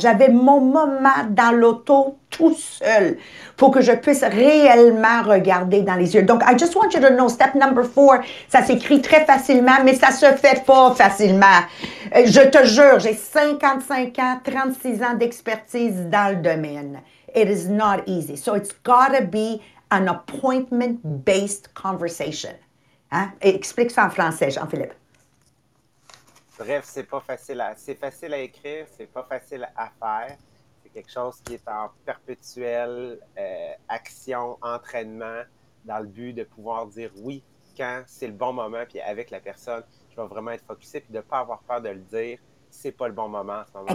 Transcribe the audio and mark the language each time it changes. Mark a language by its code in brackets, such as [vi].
[fr] J'avais mon moment dans l'auto tout seul pour que je puisse réellement regarder dans les yeux. Donc, [en] I just want you to know, step number 4, [fr] ça s'écrit très facilement, mais ça se fait pas facilement. Je te jure, j'ai 55 ans, 36 ans d'expertise dans le domaine. [en] It is not easy. So, it's gotta be an appointment-based conversation. [fr] Hein? Explique ça en français, Jean-Philippe. Bref, c'est pas facile à... C'est facile à écrire, c'est pas facile à faire. C'est quelque chose qui est en perpétuelle action, entraînement, dans le but de pouvoir dire oui quand c'est le bon moment, puis avec la personne, je vais vraiment être focusé, puis de pas avoir peur de le dire, c'est pas le bon moment à ce moment-là.